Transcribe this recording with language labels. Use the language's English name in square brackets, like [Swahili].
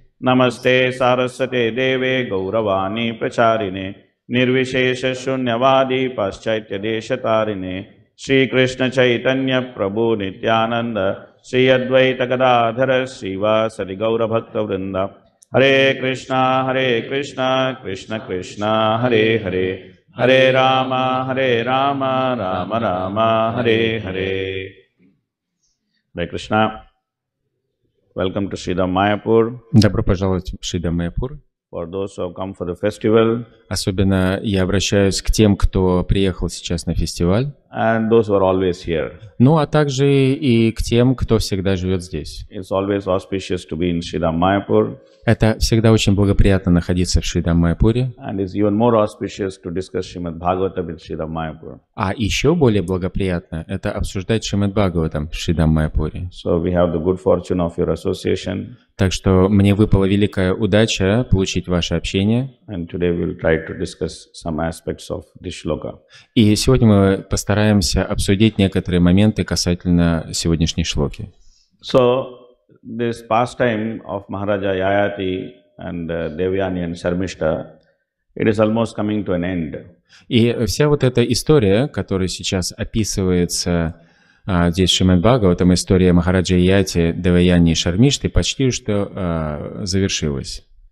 [Sanskrit] намасте сарасвате деве гауравани прачарине нирвишеша шуньявади пашчайтья дешатарине Шри Кришна Чайтанья Прабху Нитьянанда Шри Адвайта Гададхара Шрива Сари Гаура Бхакта Вринда Харе Кришна, Кришна Кришна, Харе Харе Харе Рама, Рама Рама, Харе Харе Харе Кришна, [English] welcome to [Sanskrit] Шридам Майапур. [Russian] Добро пожаловать в Шридам Майапур. [English] For those who have come for the festival, [Russian] особенно я обращаюсь к тем, кто приехал сейчас на фестиваль, [English] and those who are always here. [Russian] Ну, а также и к тем, кто всегда живет здесь. [English] It's always auspicious to be in Шридам Майапур. [Russian] Это всегда очень благоприятно находиться в Шридам Майапуре. [English] And it's even more auspicious to discuss Шримад Бхагаватам in Шридам Майапур. [Russian] А еще более благоприятно это обсуждать Шримад Бхагаватам в Шридам Майапуре. [English] So we have the good fortune of your association. [Russian] Так что мне выпала великая удача получить ваше общение. [English] And today we'll try to discuss some aspects of this shloka. [Russian] И сегодня мы постараемся обсудить некоторые моменты касательно сегодняшней шлоки. [English] So, this pastime of Maharaja Yayati and Devyani and Sharmishta, it is almost coming to an end. [Russian] И вся вот эта история, которая сейчас описывается здесь Шримад Бхагаватам, история Махараджа Яяти, Деваяни и Шармишты почти что завершилась.